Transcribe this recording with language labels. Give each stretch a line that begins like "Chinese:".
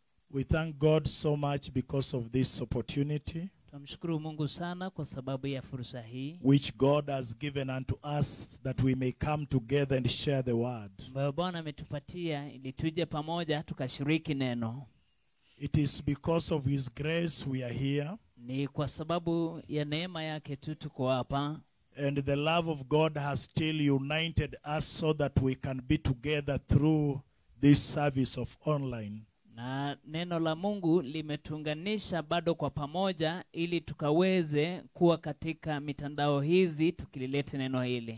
English: We thank God so much because of this opportunity.
Swahili: Tumshukuru Mungu sana kwa sababu ya fursa hii,
English: which God has given unto us that we may come together and share the word.
Swahili: Bwana ametupatia ili tuje pamoja tukashiriki neno.
English: It is because of his grace we are here.
Swahili: Ni kwa sababu ya neema yake tu tuko hapa.
English: And the love of God has still united us so that we can be together through this service of online.
Swahili: Na neno la Mungu limetuunganisha bado kwa pamoja ili tukaweze kuwa katika mitandao hizi tukilete neno hili.